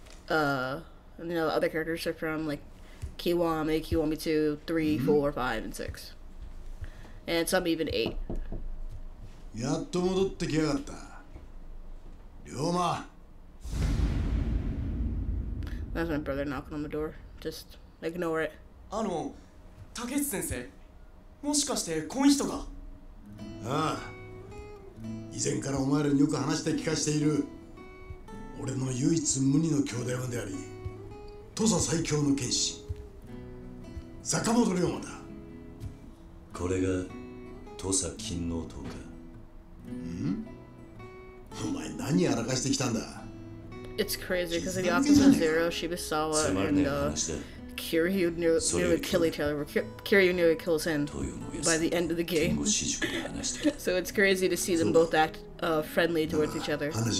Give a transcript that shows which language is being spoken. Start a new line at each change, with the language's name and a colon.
English: You know, other characters are from, like, Kiwami, Kiwami 2, 3, 4, 5, and 6. And some even 8.
Japanese: Yatto modotte kiyagatta. Ryoma!
English: That's my brother knocking on the door. Just ignore it.
Japanese: Takechi-sensei, もしかして婚姻人か。ああ、以前からお前らによく話して聞かしている俺の唯一無二の兄弟分であり土佐最強の剣士坂本龍馬だ。これが土佐勤王党か。ん？お前何やらかしてきたんだ。
English: It's crazy because the opposite of Zero, Shibasawa, and Kiryu knew it kills him by the end of the game. So it's crazy to see them both act friendly towards each other.